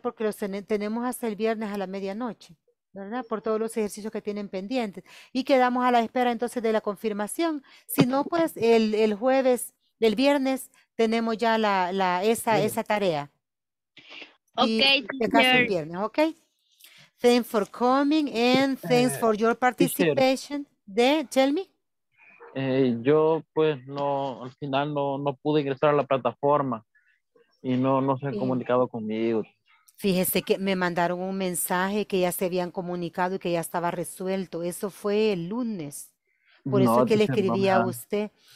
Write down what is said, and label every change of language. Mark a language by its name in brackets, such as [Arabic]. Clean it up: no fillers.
[Spanish] Porque los tenemos hasta el viernes a la medianoche, ¿verdad? Por todos los ejercicios que tienen pendientes. Y quedamos a la espera entonces de la confirmación. Si no, pues el jueves, el viernes, tenemos ya esa tarea. [English] Okay, [Spanish] el viernes, okay. [English] Thanks for coming and thanks for your participation. Tell me. [Spanish] Yo pues no, al final no pude ingresar a la plataforma y no se han comunicado conmigo. Fíjese que me mandaron un mensaje que ya se habían comunicado y que ya estaba resuelto. Eso fue el lunes. Por eso que le escribí a usted.